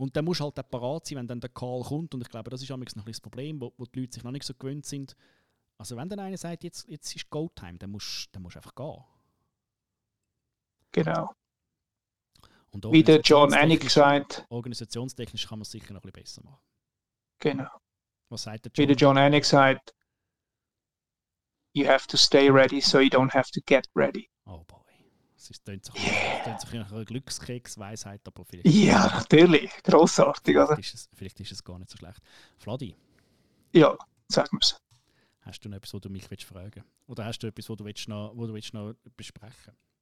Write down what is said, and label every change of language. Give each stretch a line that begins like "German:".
German: Und dann musst du halt auch parat sein, wenn dann der Call kommt. Und ich glaube, das ist manchmal noch ein Problem, wo die Leute sich noch nicht so gewöhnt sind. Also wenn dann einer sagt, jetzt ist Go Time, dann musst du einfach gehen. Genau. Und wie der John Ennick gesagt. Organisationstechnisch kann man es sicher noch ein bisschen besser machen. Genau. Was sagt der
English: John?
German: Wie der John Ennick sagt,
English: you have to stay ready, so you don't have to get ready. Oh boy.
German: Das klingt so ein bisschen nach einer Glückskeksweisheit, aber vielleicht... Ja, natürlich. Grossartig, oder? Vielleicht ist es gar nicht so schlecht. Vladi? Ja, sag mir's. Hast du noch etwas, wo du mich fragen willst? Oder hast du etwas, wo du noch besprechen